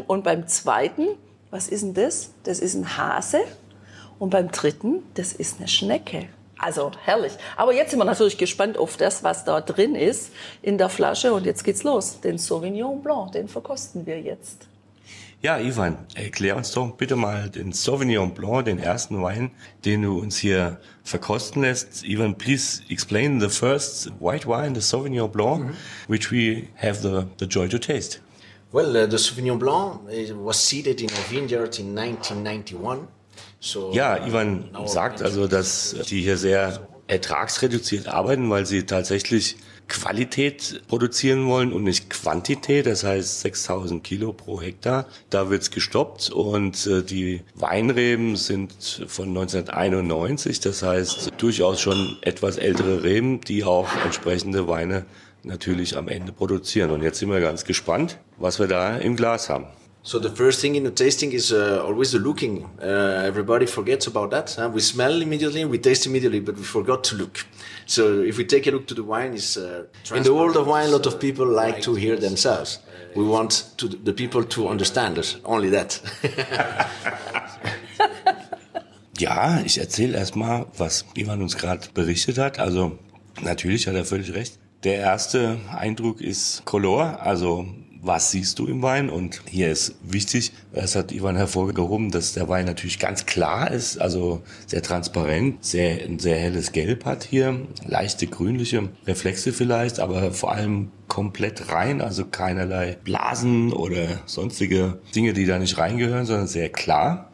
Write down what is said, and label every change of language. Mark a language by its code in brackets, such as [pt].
[de] Und beim zweiten, was ist denn das? Das ist ein Hase und beim dritten, das ist eine Schnecke. Also herrlich. Aber jetzt sind wir natürlich gespannt auf das, was da drin ist in der Flasche. Und jetzt geht's los. Den Sauvignon Blanc, den verkosten wir jetzt. Ja, Ivan, erklär uns doch bitte mal den Sauvignon Blanc, den ersten Wein, den du uns hier verkosten lässt. [en] Ivan, please explain the first white wine, the Sauvignon Blanc, which we have the joy to taste. Well, the Sauvignon Blanc was seeded in a vineyard in 1991. [de] So, ja, Ivan sagt also, dass die hier sehr ertragsreduziert arbeiten, weil sie tatsächlich Qualität produzieren wollen und nicht Quantität, das heißt 6000 Kilo pro Hektar. Da wird es gestoppt und die Weinreben sind von 1991, das heißt durchaus schon etwas ältere Reben, die auch entsprechende Weine natürlich am Ende produzieren. Und jetzt sind wir ganz gespannt, was wir da im Glas haben. [en] So the first thing in the tasting is always the looking. Everybody forgets about that. Huh? We smell immediately, we taste immediately, but we forgot to look. So if we take a look to the wine, it's, in the world of wine, a lot of people like to hear themselves. We want to the people to understand us, only that. [de] Ja, ich erzähle erstmal, was Ivan uns gerade berichtet hat. Also natürlich hat er völlig recht. Der erste Eindruck ist Color, also was siehst du im Wein? Und hier ist wichtig, das hat Ivan hervorgehoben, dass der Wein natürlich ganz klar ist, also sehr transparent, sehr, ein sehr helles Gelb hat hier, leichte grünliche Reflexe vielleicht, aber vor allem komplett rein, also keinerlei Blasen oder sonstige Dinge, die da nicht reingehören, sondern sehr klar.